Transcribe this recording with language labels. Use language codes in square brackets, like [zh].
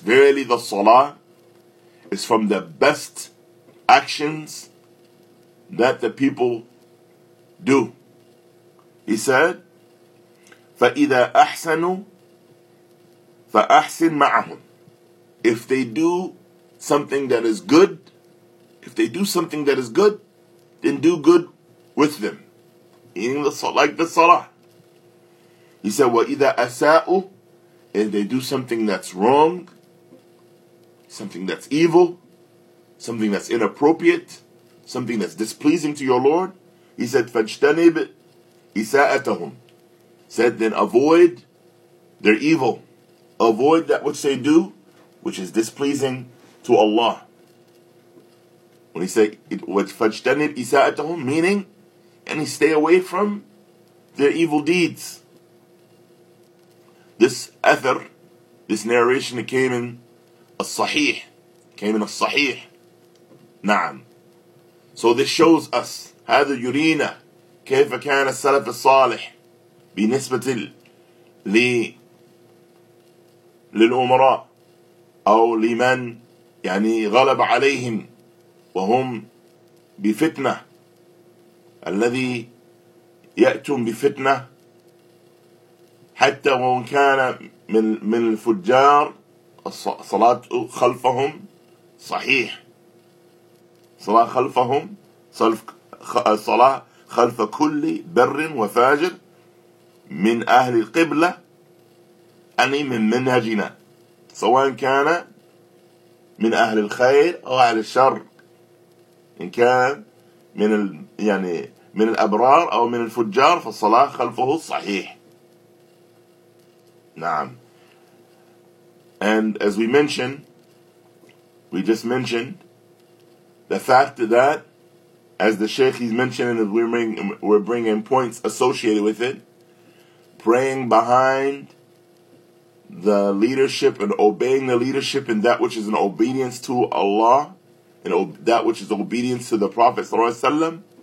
[en] Verily the salah is from the best actions that the people do. He said, [ar] "فَإِذَا أَحْسَنُوا فَأَحْسِنْ مَعَهُمْ." [en] if they do something that is good, if they do something that is good, then do good with them. In the like the salah. He said, [ar] وَإِذَا أَسَاءُ, [en] and they do something that's wrong, something that's evil, something that's inappropriate, something that's displeasing to your Lord. He said, [ar] فَاجْتَنِبْ إِسَاءَتَهُمْ. [en] Said, then avoid their evil. Avoid that which they do, which is displeasing to Allah. When he said, [ar] فَاجْتَنِبْ إِسَاءَتَهُمْ, [en] meaning, and he stay away from their evil deeds. This athar, this narration, it came in as-sahih. Came in as-sahih. Na'am. So this shows us, [ar] هذا يرينا كيف كان السلف الصالح بنسبة للأمراء أو لمن يعني غلب عليهم وهم بفتنة الذي يأتون بفتنة حتى وإن كان من الفجار الصلاة خلفهم صحيح صلاة خلفهم صلاة خلف كل بر وفاجر من أهل القبلة أني من منهجنا سواء كان من أهل الخير أو أهل الشر إن كان من يعني من الأبرار أو من الفجار فالصلاة خلفه صحيح نعم. [en] And as we mentioned, we just mentioned the fact that, as the Shaykh he's mentioning, as we're bringing points associated with it, praying behind the leadership and obeying the leadership in that which is an obedience to Allah, and that which is obedience to the Prophet sallallahu alaihi wasallam.